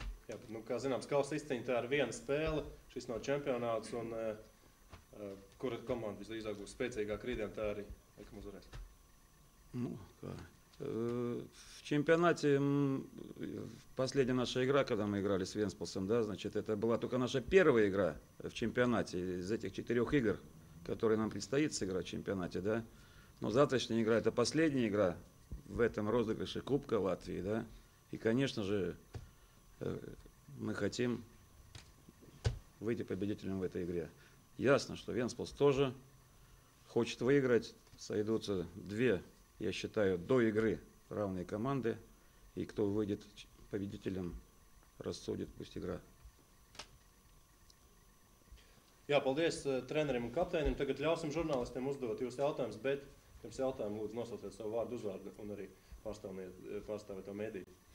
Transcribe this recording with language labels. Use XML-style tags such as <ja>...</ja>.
<lv>Jā, bet, nu, kā zināms, Kausa izcīņa tā ir viena spēle, šis nav čempionāts, un kura komanda visdrīzāk būs spēcīgāk rītdien, tā arī, laikam, uzvarēs. Nu, kā.</lv> <ru>В чемпионате последняя наша игра, когда мы играли с Венспилсом, да, значит, это была только наша первая игра в чемпионате из этих четырех игр, которые нам предстоит сыграть в чемпионате, да. Но завтрашняя игра – это последняя игра в этом розыгрыше Кубка Латвии, да. И, конечно же, мы хотим выйти победителем в этой игре. Ясно, что Венспилс тоже хочет выиграть. Сойдутся две, я считаю, до игры равные команды. И кто выйдет победителем, рассудит, пусть игра. Я</ru> <lv>paldies</lv> <ru>тренерам и капитанам.</ru> <lv>Tagad ļausim</lv> <ru>журналистам</ru> <lv>uzdot jūs jautājumus, bet jums jautājumu lūdzu nosauciet savu vārdu, uzvārdu un arī pārstāviet to mediju.</lv>